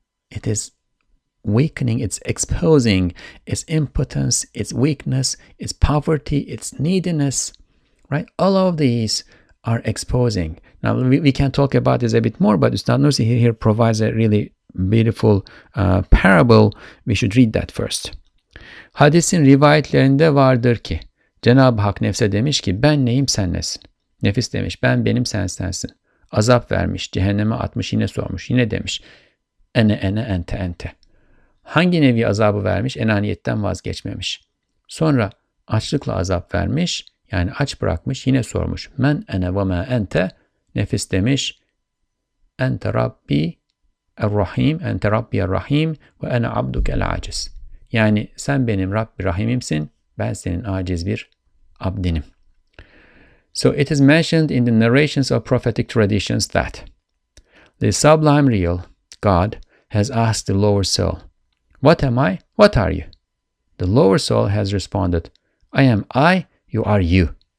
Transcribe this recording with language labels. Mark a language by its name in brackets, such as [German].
[English] It is weakening, it's exposing its impotence, its weakness, its poverty, its neediness, right? All of these are exposing. Now, we can talk about this a bit more, but Ustad Nursi here provides a really beautiful parable. We should read that first. [Turkish] Hadisin rivayetlerinde vardır ki, Cenab-ı Hak nefse demiş ki, ben neyim, sen nesin? Nefis demiş, ben benim, sen sensin. Azap vermiş, cehenneme atmış, yine sormuş, yine demiş, [Arabic] ene ene ente ente. [Turkish] Hangi nevi azabı vermiş? Enaniyetten vazgeçmemiş. Sonra açlıkla azap vermiş, yani aç bırakmış, yine sormuş, [Arabic] men ene ve me ente. [Turkish] Nefis demiş, [Arabic] ente Rabbi errahim, ente Rabbi errahim ve ene abduke aciz. [Turkish] Yani sen benim Rabbi rahimimsin, ben senin aciz bir abdinim. [English] So it is mentioned in the narrations of prophetic traditions that the sublime real God has asked the lower soul, what am I? What are you? The lower soul has responded, I am I, you are you.